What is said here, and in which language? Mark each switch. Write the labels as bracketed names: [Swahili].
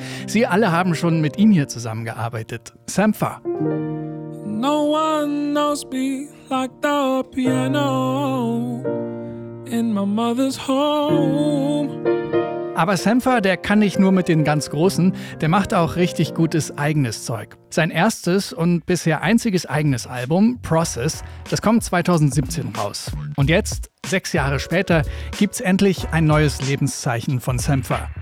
[German] Sie alle haben schon mit ihm hier zusammengearbeitet. Sampha. [English] No one knows me like the piano in my mother's home. [German] Aber Sampha, der kann nicht nur mit den ganz Großen, der macht auch richtig gutes eigenes Zeug. Sein erstes und bisher einziges eigenes Album, Process, das kommt 2017 raus. Und jetzt, 6 Jahre später, gibt's endlich ein neues Lebenszeichen von Sampha.